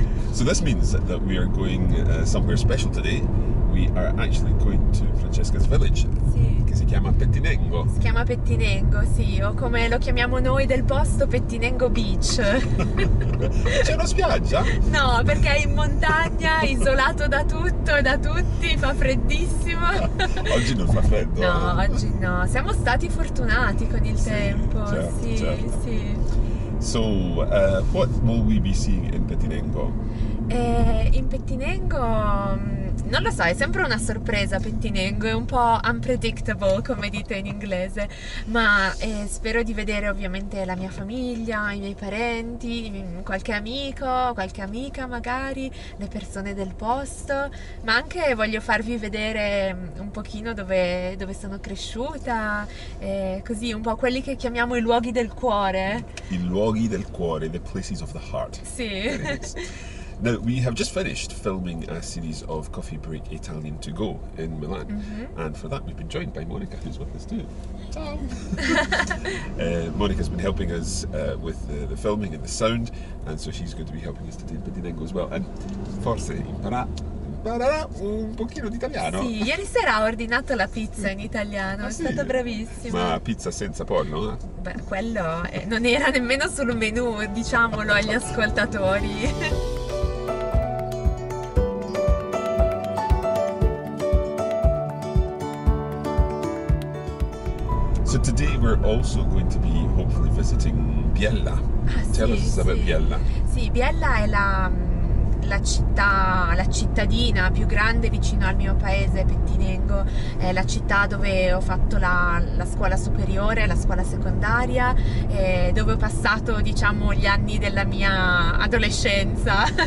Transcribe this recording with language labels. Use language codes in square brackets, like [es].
[en] So this means that we are going somewhere special today. We are actually going to Francesca's village, [it] sì. Che si chiama Pettinengo. Si chiama Pettinengo, sì, o come lo chiamiamo noi del posto, Pettinengo Beach. C'è una spiaggia? No, perché è in montagna, isolato da tutto e da tutti, fa freddissimo. Oggi non fa freddo. No, oggi no. Siamo stati fortunati con il tempo. Sì, certo. [en] So, what will we be seeing in Pettinengo? [it] In Pettinengo, non lo so, è sempre una sorpresa Pettinengo, è un po' unpredictable, come dite in inglese, ma spero di vedere ovviamente la mia famiglia, i miei parenti, qualche amico, qualche amica magari, le persone del posto, ma anche voglio farvi vedere un pochino dove sono cresciuta, così un po' quelli che chiamiamo i luoghi del cuore. I luoghi del cuore, [en] the places of the heart. [it] Sì. [en] Now, we have just finished filming a series of Coffee Break Italian to Go in Milan. Mm-hmm. And for that, we've been joined by Monica, who's with us too. Monica's been helping us with the filming and the sound, and so she's going to be helping us today in Pettinengo as well. And [it] forse imparerà un pochino d'italiano. Sì, ieri sera ho ordinato la pizza in italiano, ah, è stata bravissima. Ma pizza senza pollo? Beh, quello non era nemmeno sul menu, diciamolo agli ascoltatori. [en] So today we're also going to be hopefully visiting Biella. Tell us about Biella. [it] Sì, Biella è la cittadina più grande vicino al mio paese, Pettinengo. È la città dove ho fatto la scuola superiore, la scuola secondaria, dove ho passato, diciamo, gli anni della mia adolescenza.